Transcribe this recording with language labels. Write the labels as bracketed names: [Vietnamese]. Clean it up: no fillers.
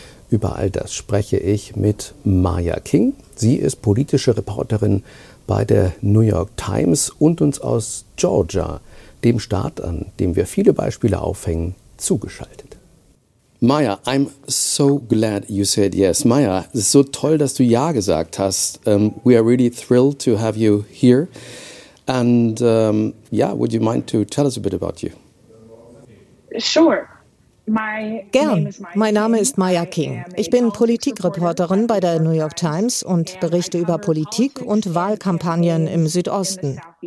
[German] Über all das spreche ich mit Maya King. Sie ist politische Reporterin bei der New York Times und uns aus Georgia, dem Staat, an dem wir viele Beispiele aufhängen, zugeschaltet. [English] Maya, I'm so glad you said yes. [German] Maya, es ist so toll, dass du ja gesagt hast. [English] We are really thrilled to have you here. And yeah, would you mind to tell us a bit about you? Sure. [German] Gern. Mein Name ist Maya King. Ich bin Politikreporterin bei der New York Times und berichte über Politik und Wahlkampagnen im Südosten.